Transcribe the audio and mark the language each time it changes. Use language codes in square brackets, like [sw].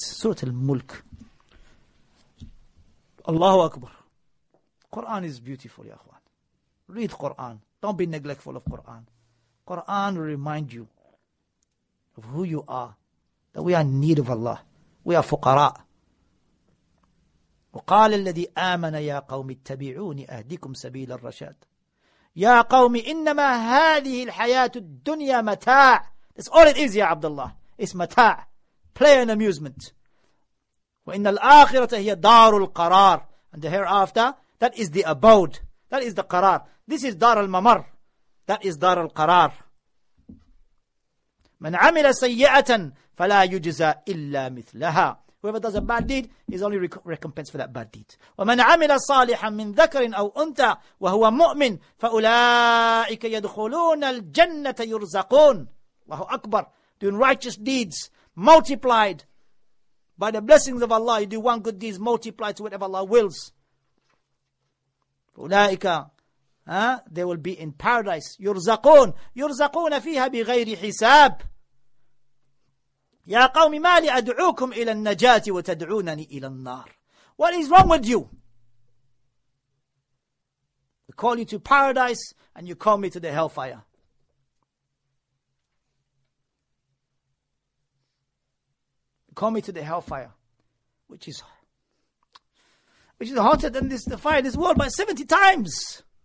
[en] Surat al-Mulk. Allahu Akbar. Quran is beautiful, ya akhwan. Read Quran. Don't be neglectful of Quran. Quran will remind you of who you are, that we are in need of Allah. We are fuqara. [ar] وقال الذي آمن يا قوم اتبعوني أهديكم سبيل الرشاد يا قوم إنما هذه الحياة الدنيا متاع. [en] It's all it is, [ar] يا عبد الله. [en] It's متاع, play and amusement. [ar] وإن الآخرة هي دار القرار. [en] And the hereafter, that is the abode, that is the قرار. This is [ar] دار الممر, [en] that is [ar] دار القرار. من عمل سيئة فلا يجزى إلا مثلها. [en] Whoever does a bad deed is only recompensed for that bad deed. [ar] وَمَنْ عَمِلَ صَالِحًا مِنْ ذَكَرٍ أَوْ أُنْتَى وَهُوَ مُؤْمِنٌ فَأُولَٰئِكَ يَدْخُلُونَ الْجَنَّةَ يُرْزَقُونَ. الله أكبر. [en] Doing righteous deeds multiplied by the blessings of Allah. You do one good deed multiplied to whatever Allah wills. فَأُولَٰئِكَ they will be in paradise. [ar] يُرْزَقُونَ يُرْزَقُونَ فِيهَا بِغَيْرِ حِسَابٍ. يا قوم ما لي أدعوكم إلى النجاة وتدعونني إلى النار. [en] What is wrong with you? We call you to paradise and you call me to the hellfire. We call me to the hellfire, which is hotter than this, the fire in this world by 70 times.